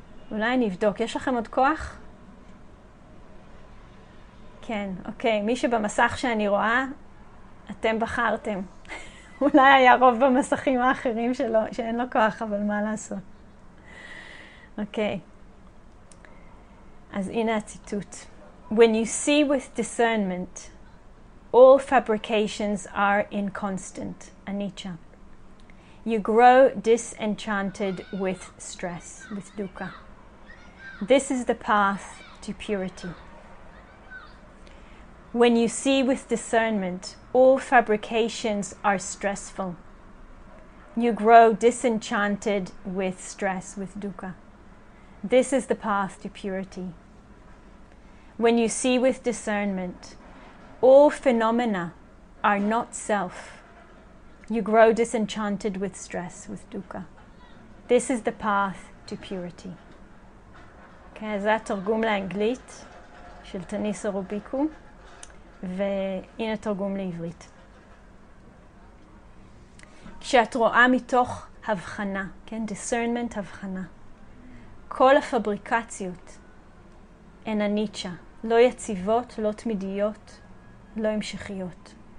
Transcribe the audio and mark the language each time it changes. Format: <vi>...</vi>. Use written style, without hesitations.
<he>אולי נבדוק, יש לכם עוד כוח? כן, אוקיי, מי שבמסך שאני רואה, אתם בחרתם. אולי היה רוב במסכים האחרים שלא, שאין לו כוח, אבל מה לעשות? אוקיי. אז הנה הציטוט.</he> <en>When you see with discernment, all fabrications are inconstant, anicca. You grow disenchanted with stress, with dukkha. This is the path to purity. When you see with discernment, all fabrications are stressful. You grow disenchanted with stress, with dukkha. This is the path to purity. When you see with discernment, All phenomena are not self. You grow disenchanted with stress, with dukkha. This is the path to purity.</en> <he>Okay, זה התרגום לאנגלית של טניסה רוביקו, והנה תרגום לעברית. כשאת רואה מתוך הבחנה, כן, discernment, הבחנה, כל הפבריקציות הן הניצ'ה, לא יציבות, לא תמידיות, לא המשכיות.</he>